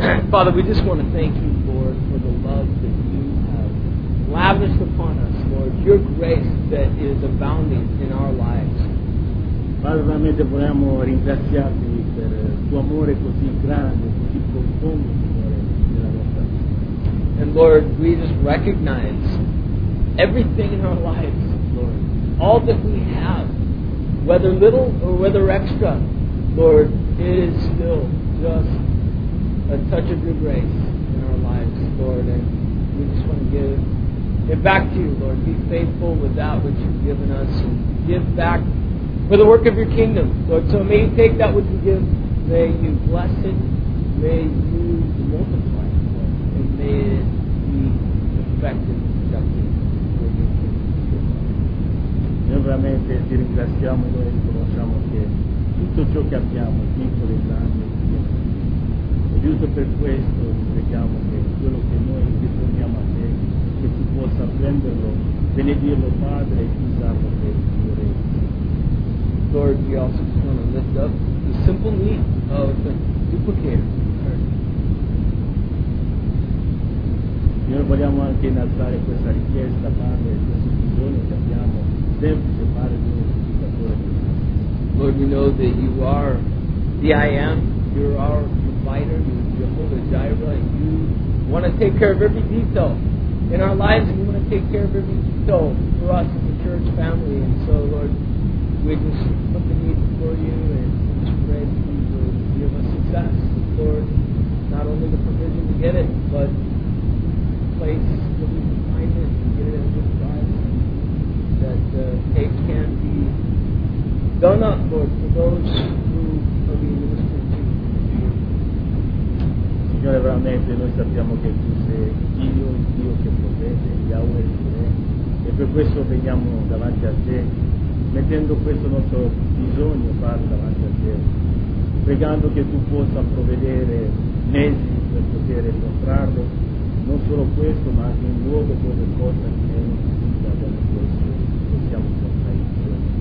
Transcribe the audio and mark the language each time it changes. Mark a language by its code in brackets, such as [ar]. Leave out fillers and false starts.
[en] Father, we just want to thank you, Lord, for the love that you have lavished upon us, Lord, your grace that is abounding in our lives. [it] Padre, veramente vogliamo ringraziarti per tuo amore così grande, così profondo, Signore, nella nostra vita. [en] And Lord, we just recognize everything in our lives, Lord, all that we have, whether little or whether extra, Lord, it is still just a touch of your grace in our lives, Lord, and we just want to give it back to you, Lord. Be faithful with that which you've given us, and give back for the work of your kingdom, Lord. So may you take that which you give, may you bless it, may you multiply it, Lord, and may it be effective and productive for your kingdom. [it] Noi veramente ti ringraziamo, noi riconosciamo che tutto ciò che abbiamo, piccolo e grande, giusto per questo preghiamo che quello che noi disponiamo a te, che tu possa prenderlo, benedirlo, Padre, e usarlo per il tuo regno. [en] Lord, we also just want to lift up the simple need of the duplicator. [it] Signore, vogliamo anche innalzare questa richiesta, Padre, questo bisogno che abbiamo sempre, Padre, di un duplicatore. [en] Lord, we know that you are the I Am. You're our provider, you're Jehovah Jireh, and you want to take care of every detail in our lives, and you want to take care of every detail for us as a church family. And so, Lord, we just put the need before you and just pray that you would give us success, Lord, not only the provision to get it, but the place where we can find it and get it at a good price, that the tape can be done up, Lord, for those who are being ministered to. [it] Signore, veramente noi sappiamo che tu sei Dio, il Dio che provvede, Yahweh il Re, e per questo veniamo davanti a te, mettendo questo nostro bisogno, Padre, davanti a te, pregando che tu possa provvedere mezzi per poter incontrarlo, non solo questo, ma anche un luogo dove possa essere utilizzato da questo, possiamo portare in giro.